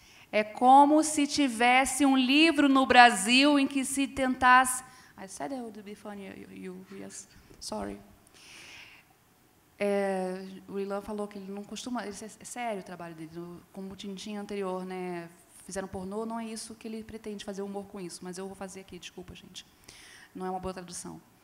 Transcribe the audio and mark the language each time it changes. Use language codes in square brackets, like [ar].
[pt] É como se tivesse um livro no Brasil em que se tentasse... [en] I said it would be funny, yes, sorry. [pt] O Ilan falou que ele não costuma... É sério o trabalho dele, como o Tintin anterior, né? Fizeram pornô, não é isso que ele pretende, fazer humor com isso, mas eu vou fazer aqui, desculpa, gente. Não é uma boa tradução.